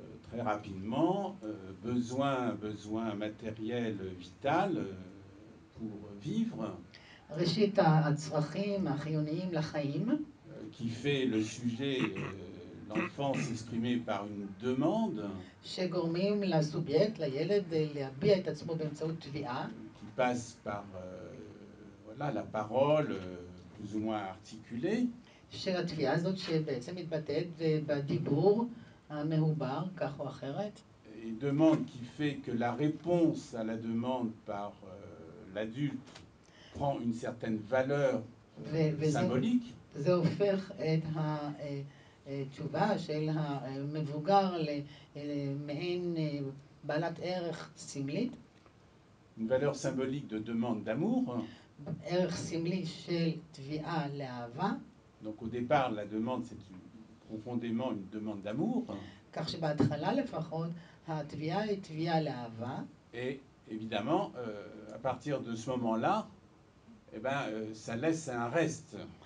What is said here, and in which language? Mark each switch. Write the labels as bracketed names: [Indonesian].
[French] Très rapidement, besoin matériel vital pour vivre. [Hebrew] ראשית הצרכים החיוניים לחיים [French] qui fait le sujet l'enfant s'exprimer par une demande [Hebrew] שגורמים לסובייקט לילד להביע את עצמו באמצעות תביעה [French] qui passe par voilà la parole plus ou moins articulée [Hebrew] שהתביעה הזאת שבעצם מתבטאת בדיבור המהובר כך או אחרת [French] une demande qui fait que la réponse à la demande par l'adulte prend une certaine valeur symbolique. [Hebrew] זה הופך את התשובה של המבוגר למעין בעלת ערך סמלית. [French] Une valeur symbolique de demande d'amour. [Hebrew] ערך סמלי של תביעה לאהבה. [French] Donc au départ, la demande, c'est profondément une demande d'amour. [Hebrew] כך שבהתחלה לפחות, התביעה היא תביעה לאהבה. [French] Et évidemment, à partir de ce moment-là, eh ben, ça laisse un reste.